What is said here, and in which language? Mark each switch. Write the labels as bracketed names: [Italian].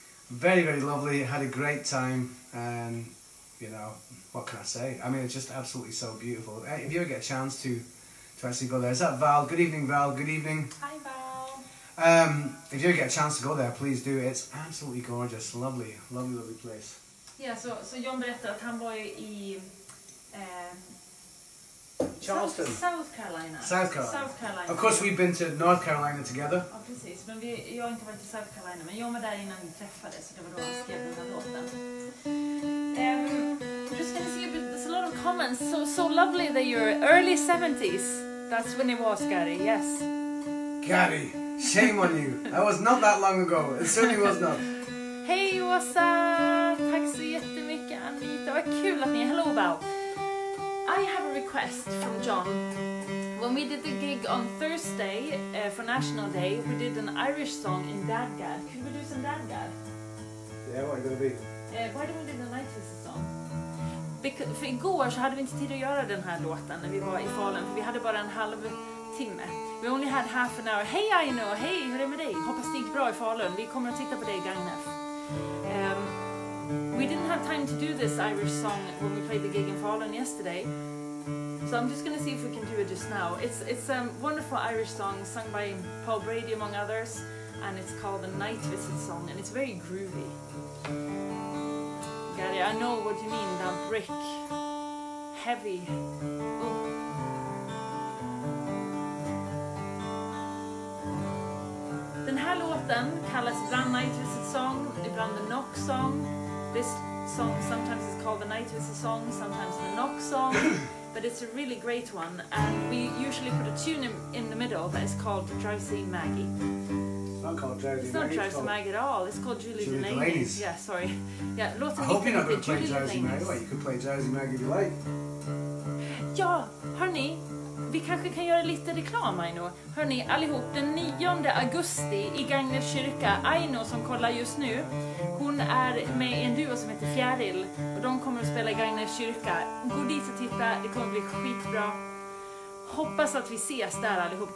[English] Very, very lovely. Had a great time. And, you know, what can I say? I mean, it's just absolutely so beautiful. If you ever get a chance to actually go there. Is that Val? Good evening, Val. Good evening. Hi, Val. If you ever get a chance to go there, please do. It's absolutely gorgeous. Lovely, lovely, lovely place. Yeah, so [Swedish] John berättade att han var i [English] Charleston. South Carolina. Of course, we've been to North Carolina together. Obviously, it's been you're into South Carolina, but your mother didn't know you before, so I was going to ask you about that. I'm just going to see, there's a lot of comments. So lovely that you're early 70s. That's when it was, Gary, yes. Gary, shame on you. That was not that long ago. It certainly was not. Hey, what's up? [Swedish] Tack så jättemycket, Anita. Vad kul att ni är. [English] Hello, Val. I have a request from John. When we did the gig on Thursday for National Day, we did an Irish song in Dadgad. Could we do some Dadgad? Yeah, what are you going to be? Why don't we do the Lighthouse song? [Swedish] Because, för igår så hade vi inte tid att göra den här låten när vi var i Falun, för vi hade bara en halv timme. [English] We only had half an hour. Hey, I know. [Swedish] Hey, hur är det med dig? Hoppas det gick bra i Falun. Vi kommer att titta på dig i Gagnef. [English] We didn't have time to do this Irish song when we played the gig in Falun yesterday, so I'm just going to see if we can do it just now. It's a wonderful Irish song sung by Paul Brady, among others, and it's called the Night Visit Song, and it's very groovy. Gary, I know what you mean, that brick, heavy. [Swedish] Den här låten kallas ibland Night Visit Song, ibland the Knock Song. [English] This song sometimes is called the Night Visit Song, sometimes the Knock Song, but it's a really great one, and we usually put a tune in the middle that is called Drowsy Maggie. It's not Drowsy Maggie at all, it's called Julie Delaney's. Yeah, sorry. Yeah, I hope you're not going to play Drowsy Maggie. You could play Drowsy Maggie if you like. [Swedish] Ja, hörni. Vi kanske kan göra lite reklam, Aino. Hörni, allihop, den 9 augusti i Gagnef kyrka, Aino som kollar just nu, hon är med i en duo som heter Fjäril, och de kommer att spela i Gagnef kyrka. Gå dit och titta, det kommer bli skitbra. Hoppas att vi ses där, allihop.